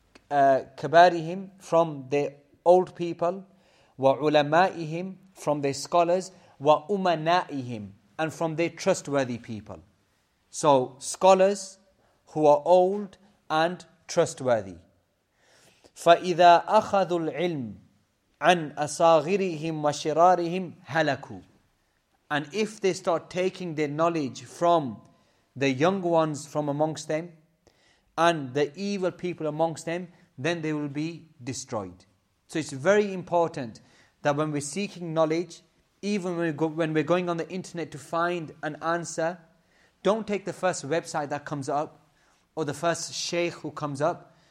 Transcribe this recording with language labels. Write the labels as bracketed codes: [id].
[ar] كبارهم [en] from the old people, [ar] وعلمائهم [en] from their scholars, [ar] وأمنائهم [en] and from their trustworthy people. So scholars who are old and trustworthy. [ar] فإذا أخذوا العلم عن أصاغرهم وشرارهم هلكوا. [en] And if they start taking their knowledge from the young ones from amongst them and the evil people amongst them, then they will be destroyed. So it's very important that when we're seeking knowledge, even when we're going on the internet to find an answer, don't take the first website that comes up or the first sheikh who comes up.